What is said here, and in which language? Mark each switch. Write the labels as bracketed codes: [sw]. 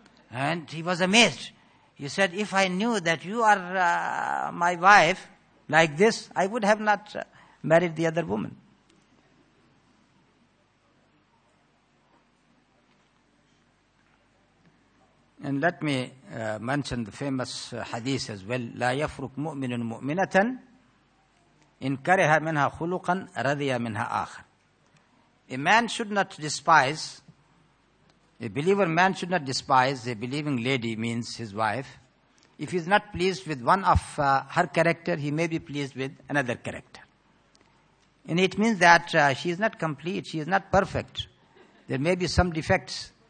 [en] And he was amazed. He said, if I knew that you are my wife like this, I would have not married the other woman. And let me mention the famous hadith as well. [ar] لا يفرق مؤمن مؤمنة إن كره منها خلقا رضي منها آخر. [en] A man should not despise, a believer man should not despise a believing lady, means his wife. If he is not pleased with one of her character, he may be pleased with another character. And it means that she is not complete, she is not perfect. There may be some defects.